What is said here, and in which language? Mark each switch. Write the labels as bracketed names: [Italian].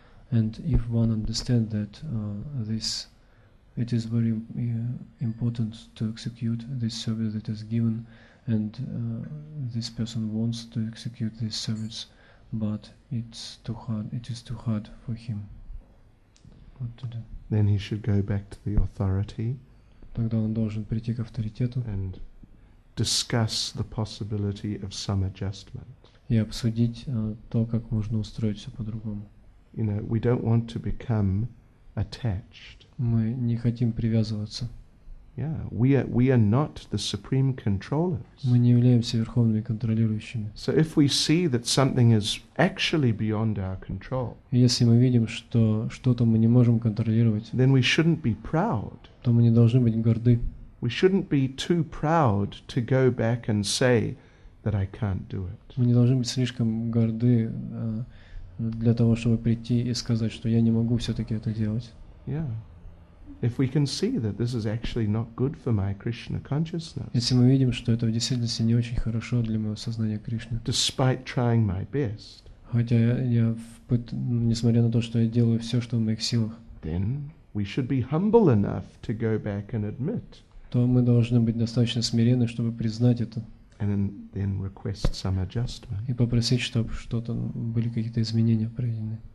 [English] And if one understands that this, it is very important to execute this service that is given, and this person wants to execute this service, but it's too hard. It is too hard for him. What to do? Then he should go back to the authority. [Russian] Тогда он должен прийти к авторитету. [English] And discuss the possibility of some adjustment. [Russian] И обсудить то, как можно устроить все по-другому. [English] You know, we don't want to become attached. [Russian] Мы не хотим привязываться. [English] Yeah, we are not the supreme controllers. [Russian] Мы не являемся верховными контролирующими. [English] So if we see that something is actually beyond our control, [Russian] если мы видим, что что-то мы не можем контролировать, [English] then we shouldn't be proud. [Russian] То мы не должны быть горды. [English] We shouldn't be too proud to go back and say that I can't do it. [Russian] Мы не должны быть слишком горды для того, чтобы прийти и сказать, что я не могу все-таки это делать. [English] Yeah. If we can see that this is actually not good for my Krishna consciousness. [Russian] Если мы видим, что это в действительности не очень хорошо для моего сознания Кришны. [English] Despite trying my best. [Russian] Хотя несмотря на то, что я делаю все, что в моих силах. [English] Then we should be humble enough to go back and admit. [Russian] То мы должны быть достаточно смиренны, чтобы признать это. [English] And then request some adjustment. [Russian] И попросить, чтобы что-то были какие-то изменения проведены.